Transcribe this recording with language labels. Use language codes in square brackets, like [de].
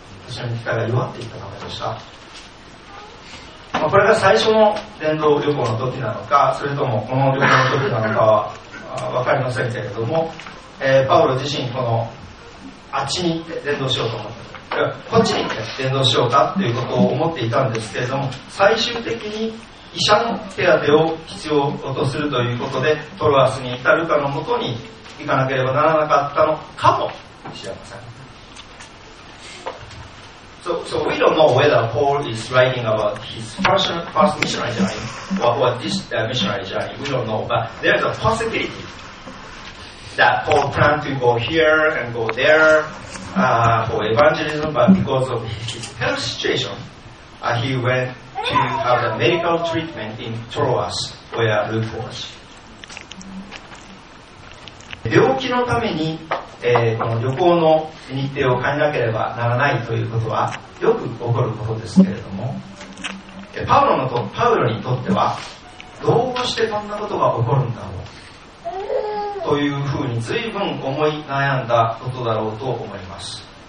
[ja] 私の肉体が弱っていたためでした。まあ、これが最初の伝道旅行の時なのか、それともこの旅行の時なのかは分かりませんけれども、パウロ自身このあっちに行って伝道しようと思って、こっちに行って伝道しようかということを思っていたんですけれども、最終的に医者の手当てを必要とするということで、トロアスに至るかのもとに行かなければならなかったのかも。 [en] So we don't know whether Paul is writing about his first missionary journey or this missionary journey. We don't know, but there's a possibility that Paul planned to go here and go there for evangelism, but because of his health situation, he went to have a medical treatment in Troas, where Luke was. [ja] 病気のために、この旅行の日程を変えなければならないということはよく起こることですけれども、パウロにとってはどうしてこんなことが起こるんだろうというふうに随分思い悩んだことだろうと思います。